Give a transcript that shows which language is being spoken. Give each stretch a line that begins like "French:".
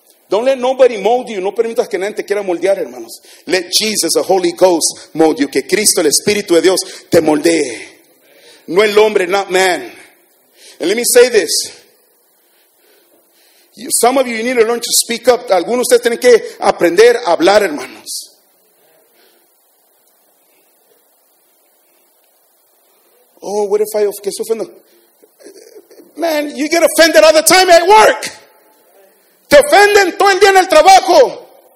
English: Don't let nobody mold you.
Spanish: No permitas que nadie te quiera moldear, hermanos.
English: Let Jesus, the Holy Ghost, mold you.
Spanish: Que Cristo, el Espíritu de Dios, te moldee. No el hombre,
English: not man. And let me say this. Some of you, you need to learn to speak up.
Spanish: Algunos de ustedes tienen que aprender a hablar, hermanos.
English: Oh, what if I get offended? Man, you get offended all the time at work.
Spanish: Te ofenden todo el día en el trabajo.